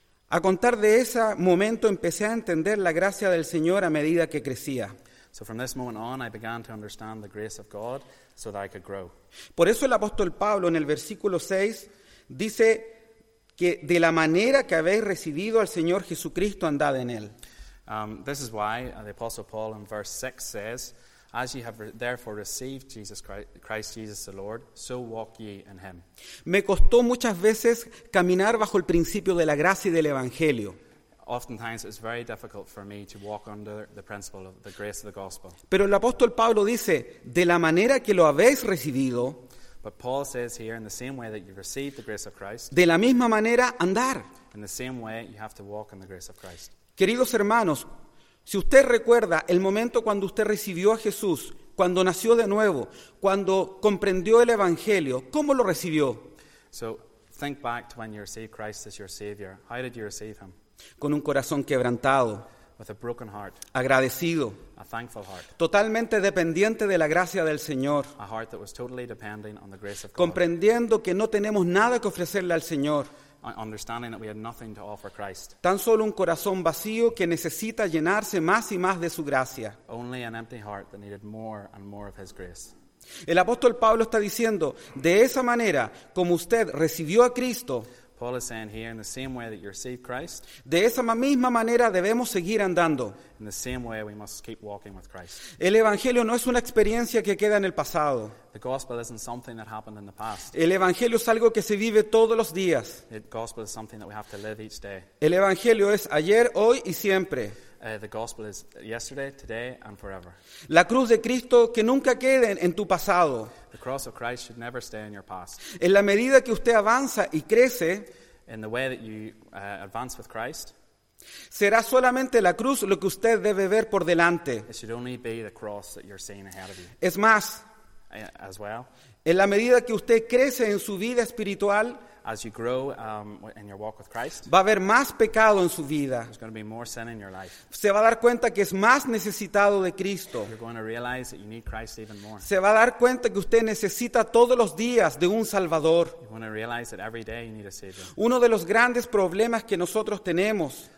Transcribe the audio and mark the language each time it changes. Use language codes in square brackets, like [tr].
[es] A contar de ese momento empecé a entender la gracia del Señor a medida que crecía. [en] So from this moment on, I began to understand the grace of God so that I could grow. [es] Por eso el apóstol Pablo en el versículo 6 dice que de la manera que habéis recibido al Señor Jesucristo andad en él. [en] This is why the apostle Paul in verse 6 says, as ye have therefore received Jesus Christ Jesus the Lord, so walk ye in him. [es] Me costó muchas veces caminar bajo el principio de la gracia y del evangelio. [en] Oftentimes it's very difficult for me to walk under the principle of the grace of the gospel. [es] Pero el apóstol Pablo dice, de la manera que lo habéis recibido, [en] but Paul says here, in the same way that you've received the grace of Christ, [es] de la misma manera andar. [en] In the same way you have to walk in the grace of Christ. [es] Queridos hermanos, si usted recuerda el momento cuando usted recibió a Jesús, cuando nació de nuevo, cuando comprendió el evangelio, ¿cómo lo recibió? [en] So think back to when you received Christ as your savior. How did you receive him? [es] Con un corazón quebrantado, [en] with a broken heart, [es] agradecido, [en] a thankful heart, [es] totalmente dependiente de la gracia del Señor, [en] a heart that was totally depending on the grace of God, [es] comprendiendo que no tenemos nada que ofrecerle al Señor, [en] understanding that we had nothing to offer Christ, [es] tan solo un corazón vacío que necesita llenarse más y más de su gracia, [en] only an empty heart that needed more and more of his grace. [es] El apóstol Pablo está diciendo, de esa manera como usted recibió a Cristo, [en] Paul is saying here, in the same way that you receive Christ, [es] de esa misma manera debemos seguir andando. [en] In the same way we must keep walking with Christ. [es] El evangelio no es una experiencia que queda en el pasado. [en] The gospel isn't something that happened in the past. [es] El evangelio es algo que se vive todos los días. [en] The gospel is something that we have to live each day. [es] El evangelio es ayer, hoy y siempre. [en] The gospel is yesterday, today, and forever. [es] La cruz de Cristo que nunca quede en tu pasado. [en] The cross of Christ should never stay in your past. [es] En la medida que usted avanza y crece, [en] in the way that you advance with Christ, [es] será solamente la cruz lo que usted debe ver por delante. [en] It should only be the cross that you're seeing ahead of you. [es] Es más, [en] as well, [es] en la medida que usted crece en su vida espiritual, [en] as you grow in your walk with Christ, [es] va a haber más pecado en su vida. [en] There's going to be more sin in your life. [es] Se va a dar cuenta que es más necesitado de Cristo. [en] You're going to realize that you need Christ even more. [es] Se va a dar cuenta que usted necesita todos los días de un Salvador. [en] You're going to realize that every day you need a Savior. [es] Uno de los grandes problemas que nosotros tenemos,